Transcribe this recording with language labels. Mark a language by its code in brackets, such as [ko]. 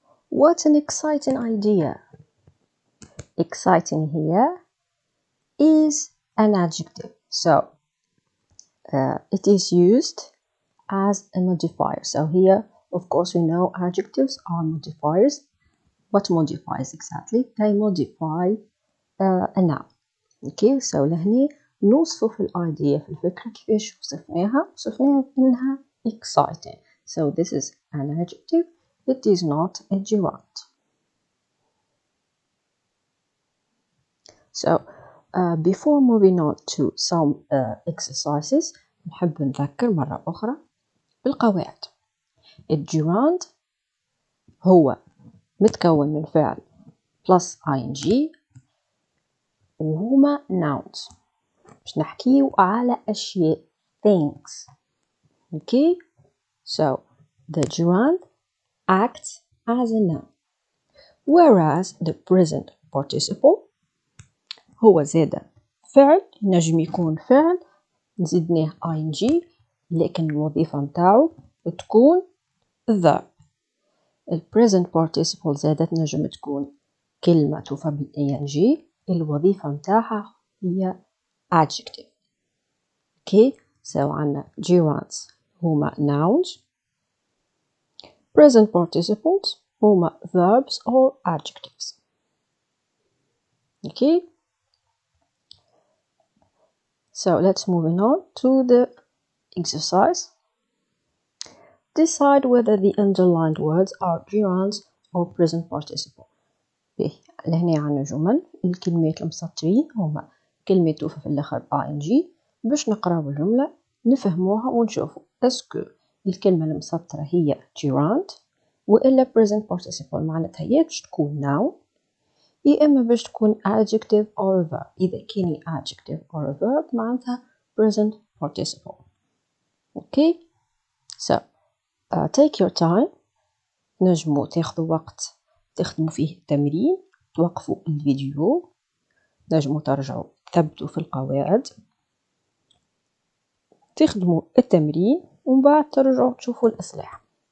[en] What an exciting idea. Exciting here is an adjective. So, it is used as a modifier. So here, of course, we know adjectives are modifiers. What modifies exactly? They modify a noun. [ar] Okay, so لهني نوصف في الidea في الفكرة كيفاش وصفناها. وصفناها بأنها exciting. [en] So this is an adjective. It is not a gerund. So, before moving on to some exercises, [ar] نحب نذكر مرة أخرى بالقواعد. A gerund هو متكون من فعل plus ing وهما nouns. مش نحكيو على أشياء things. [en] Okay? [ar] So, [en] the gerund acts as a noun, whereas the present participle [ar] هو زادة فعل نجم يكون فعل زدناه ing لكن الوظيفة متاعو تكون verb. The present participle زادة نجم تكون كلمة توفى بالing الوظيفة متاعها هي adjective. Okay, so عنا gerunds هما nouns. [en] Present participles, هما verbs or adjectives. Okay? So, let's move on to the exercise. Decide whether the underlined words are gerunds or present participle. [ar] لهنا عنا جمل. الكلمات المسطرين هما كلمة توفى في الأخر ing. باش نقرأ الجملة نفهموها ونشوفوا. اسكو الكلمة المسطرة هي gerund؟ وإلا present participle معناتها يجب تكون noun إما باش تكون adjective or verb. إذا كان adjective or verb معناتها present participle. [en] Okay, so take your time. [ar] نجمو تاخذوا وقت تخدموا فيه التمرين، توقفوا الفيديو، نجمو ترجعوا تثبتوا في القواعد، تخدموا التمرين ومن بعد ترجعوا تشوفوا الإصلاح.